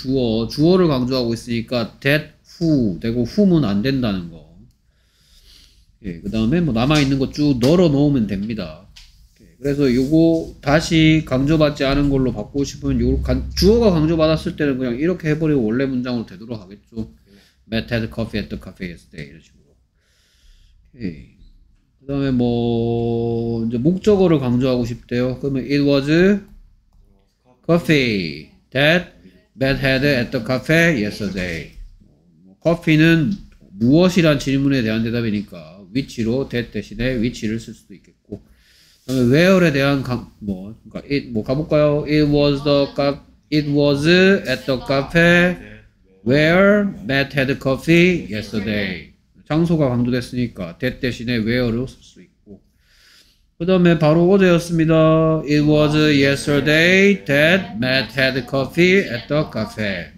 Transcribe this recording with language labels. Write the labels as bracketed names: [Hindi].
[Korean] 주어, 주어를 강조하고 있으니까 [English] that who [Korean] 되고 whom은 안 된다는 거. 예, 그 다음에 뭐 남아있는 거 쭉 널어 놓으면 됩니다. 예, 그래서 요거 다시 강조받지 않은 걸로 바꾸고 싶으면 요 주어가 강조받았을 때는 그냥 이렇게 해버리고 원래 문장으로 되도록 하겠죠. 예. [English] Matt had coffee at the cafe yesterday [Korean] 이런 식으로. 예, 그 다음에 뭐 이제 목적어를 강조하고 싶대요. 그러면 [English] it was coffee that Matt had at the cafe yesterday. [Korean] 커피는 무엇이란 질문에 대한 대답이니까 위치로 that 대신에 위치를 쓸 수도 있겠고, 그 다음에 where에 대한 그러니까 it 뭐 가볼까요? [English] It was the it was at the cafe where Matt had coffee yesterday. [Korean] 장소가 강조됐으니까 that 대신에 where로 쓸 수 있고, 그 다음에 바로 어제였습니다. [English] It was yesterday that Matt had coffee at the cafe.